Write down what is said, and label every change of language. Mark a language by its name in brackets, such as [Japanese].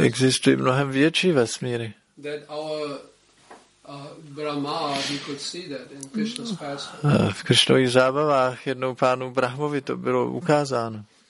[Czech] Existují mnohem větší vesmíry. [English] That our Brahma, we could see that in Krishna's pastime. [Czech] V Krishnových zábavách jednou pánu Brahmovi to bylo ukázáno.